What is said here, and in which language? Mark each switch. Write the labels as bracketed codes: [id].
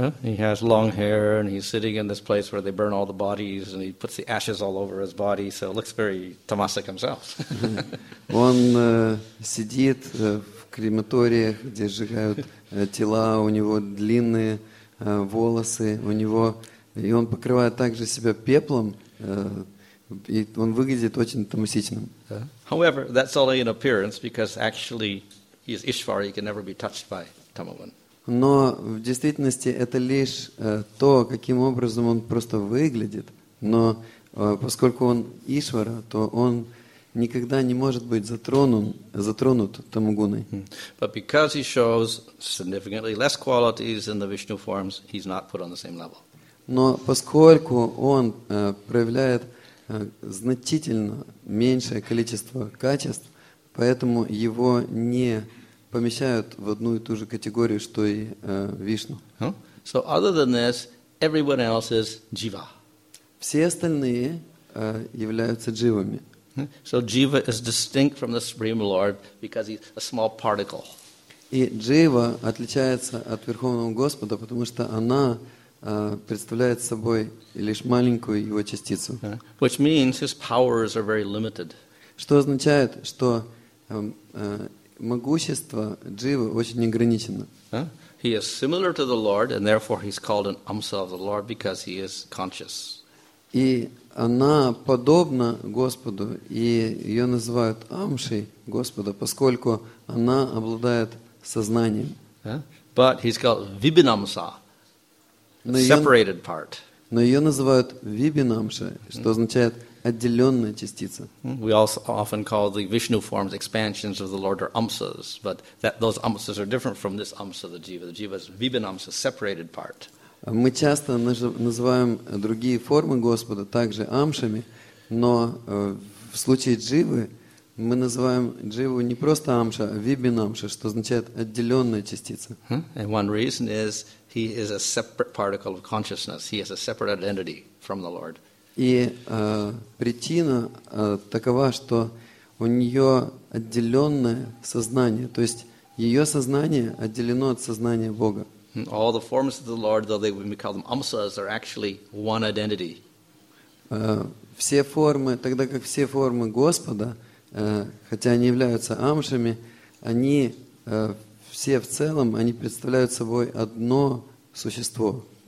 [en] He has long hair and he's sitting in this place where they burn all the bodies and he puts the ashes all over his body, so it looks very tamasic himself. [ru] Он сидит в крематориях, где сжигают тела, у него длинные волосы, у него, и он покрывает также себя пеплом, и он выглядит очень тамасичным. [en] However, that's only an appearance because actually he is Ishvara, he can never be touched by tamogun. [ru] Но в действительности это лишь то, каким образом он просто выглядит, но поскольку он Ишвара, то он никогда не может быть затронут тамогуной. [en] But because he shows significantly less qualities than the Vishnu forms, he's not put on the same level. [ru] Но поскольку он проявляет значительно меньшее количество качеств, поэтому его не помещают в одну и ту же категорию, что и Вишну. [en] So other than this, everyone else is jiva. [ru] Все остальные являются дживами. [en] So jiva is distinct from the Supreme Lord because he's a small particle. [ru] И джива отличается от Верховного Господа, потому что она представляет собой лишь маленькую его частицу. [en] Which means his powers are very limited. [ru] Что означает, что могущество дживы очень ограничено. [en] He is similar to the Lord, and therefore he's called an amsa of the Lord because he is conscious. [ru] И она подобна Господу, и ее называют амшей Господа, поскольку она обладает сознанием. [en] But he's called vibinamsa, separated part. [ru] Но ее называют вибинамша, что означает отделенная частица. [en] We also often call the Vishnu forms expansions of the Lord or amsas, but that those amsas are different from this amsa, the jiva. The jiva is vibinamsa, separated part. [ru] Мы часто называем другие формы Господа также амшами, но в случае дживы мы называем дживу не просто амша, а вибинамша, что означает отделенная частица. [en] And one reason is he is a separate particle of consciousness. He is a separate identity from the Lord. [ru] И причина такова, что у нее отделенное сознание, то есть ее сознание отделено от сознания Бога. [en] All the forms of the Lord, though they would be called amsas, are actually one identity. [ru] все формы, тогда как все формы Господа, хотя они являются амшами, они все в целом, они представляют собой одно существо.